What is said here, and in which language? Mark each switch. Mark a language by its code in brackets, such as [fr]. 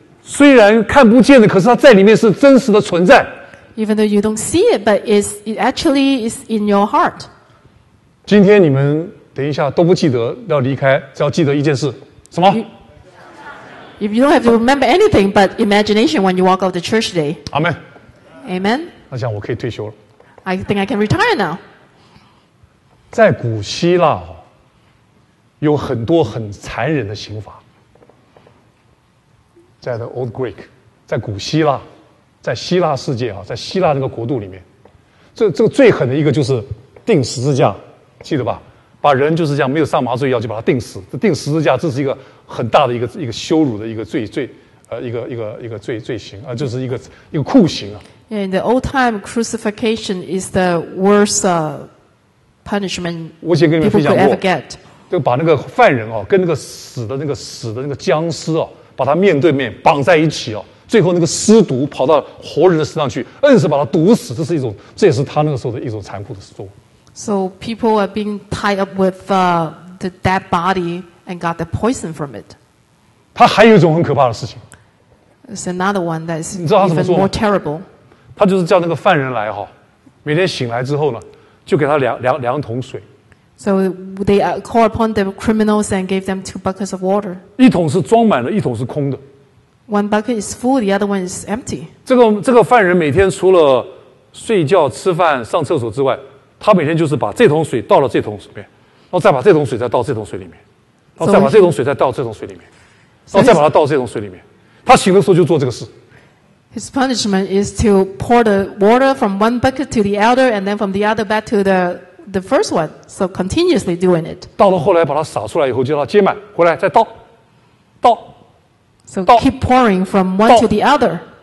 [zh] 虽然看不见的可是它在里面是真实的存在 [en] Even though you don't see it But it actually is in your heart [zh] 今天你们等一下都不记得要离开只要记得一件事什么 [en] If you don't have to remember anything But imagination when you walk out of the church today Amen Amen [zh] 那这样我可以退休了 [en] I think I can retire now [zh] 在古希腊有很多很残忍的刑罚在 [en] the old Greek [zh] 在古希腊在希腊世界在希腊那个国度里面这个最狠的一个就是钉十字架记得吧把人就是这样没有上麻醉药就把它钉死钉十字架这是一个很大的一个羞辱的一个罪刑就是一个酷刑 [en] In the old time crucifixion is the worst punishment people could ever get [zh] 就把那个犯人跟那个死的僵尸把他面对面绑在一起最后那个尸毒跑到活人的身上去，硬是把他毒死，这是一种，这也是他那个时候的一种残酷的事做。 [en] So people are being tied up with the dead body and got the poison from it. [zh] 他还有一种很可怕的事情。 [en] It's another one that's even more terrible. [zh] 他就是叫那个犯人来哈，每天醒来之后呢，就给他两桶水。 [en] So they call upon the criminals and gave them two buckets of water. [zh] 一桶是装满的，一桶是空的。 [en] One bucket is full, the other one is empty. [zh] 这个犯人每天除了睡觉、吃饭、上厕所之外，他每天就是把这桶水倒到这桶里面，然后再把这桶水再倒这桶水里面，然后再把这桶水再倒这桶水里面，然后再把它倒这桶水里面。他醒的时候就做这个事。 [en] His punishment is to pour the water from one bucket to the other, and then from the other bucket to the first one. So continuously doing it. [zh] 到了后来把它洒出来以后，就让它接满，回来再倒，倒。 [en] So keep pouring from one to the other.